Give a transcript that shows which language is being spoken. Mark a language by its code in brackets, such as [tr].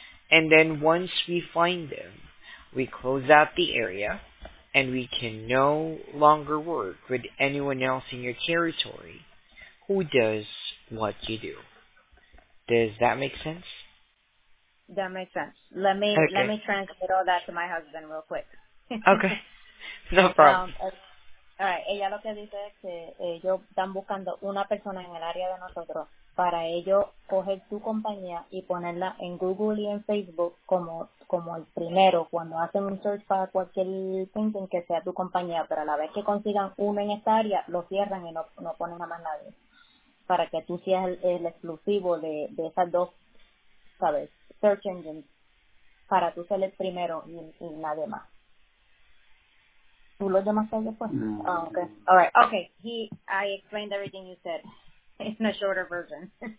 [en] And then once we find them, we close out the area and we can no longer work with anyone else in your territory who does what you do. Does that make sense? That makes sense. Let me translate all that to my husband real quick. Okay. No problem. [es] Alright, ella lo que dice es que ellos están buscando una persona en el área de nosotros para ellos coger tu compañía y ponerla en Google y en Facebook como el primero cuando hacen un search para cualquier painting que sea tu compañía, pero a la vez que consigan uno en esta área, lo cierran y no ponen a más nadie para que tú seas el exclusivo de esas dos, ¿sabes? [en] Search engines [es] para tú ser el primero y nadie más. [en] Oh, okay. All right. Okay. I explained everything you said in a shorter version.